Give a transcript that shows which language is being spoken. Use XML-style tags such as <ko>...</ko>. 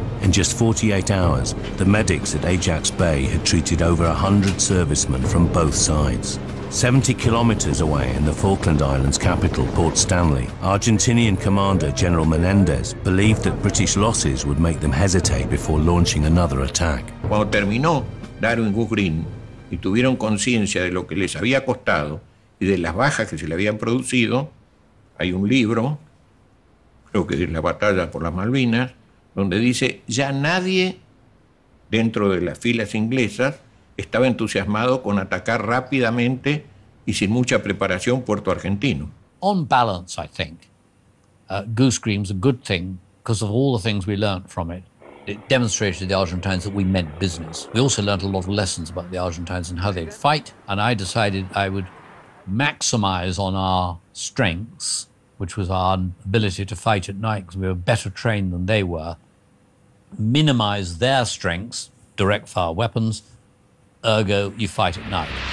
<en>In just 48 hours, the medics at Ajax Bay had treated over 100 servicemen from both sides. 70 kilometers away in the Falkland Islands capital, Port Stanley, Argentinian commander General Menendez believed that British losses would make them hesitate before launching another attack.</en> <es>Cuando terminó Darwin Goose Green y tuvieron conciencia de lo que les había costado y de las bajas que se le habían producido, hay un libro, creo que es La Batalla por las Malvinas, donde dice, ya nadie dentro de las filas inglesas estaba entusiasmado con atacar rápidamente y sin mucha preparación Puerto Argentino.</es> <en>On balance, I think, Goose Green's a good thing because of all the things we learned from it. It demonstrated to the Argentines that we meant business. We also learned a lot of lessons about the Argentines and how they'd fight, and I decided I would maximize on our strengths, which was our ability to fight at night because we were better trained than they were, minimize their strengths, direct fire weapons, ergo, you fight at night.</en>